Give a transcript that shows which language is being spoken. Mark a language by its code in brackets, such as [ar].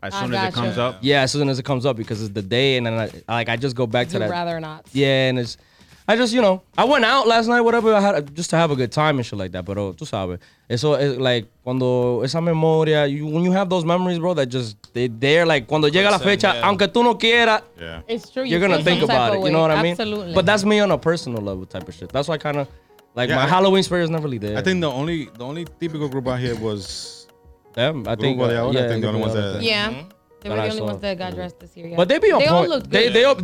[en] As soon as it comes up. Yeah, as soon as it comes up because it's the day. And then, I just go back to that. You'd rather not. Yeah, and it's... I just, you know... I went out last night, whatever. I had just to have a good time and shit like that. [es] Pero tú sabes. Eso es [en] like... [es] Cuando esa memoria... [en] When you have those memories, bro, that just... They're like... [es] Cuando llega la fecha, aunque tú no quieras... [en] Yeah. It's true. You're going to think about it. You know what I mean? Absolutely. But that's me on a personal level type of shit. That's why I kind of... Like my Halloween spirit is not really there. I think the only typical group out here was them. I think Grupo de Ahora, I think the only ones that. Yeah. They were the only ones that got dressed this year. Yeah. But they be on they point. They all looked good.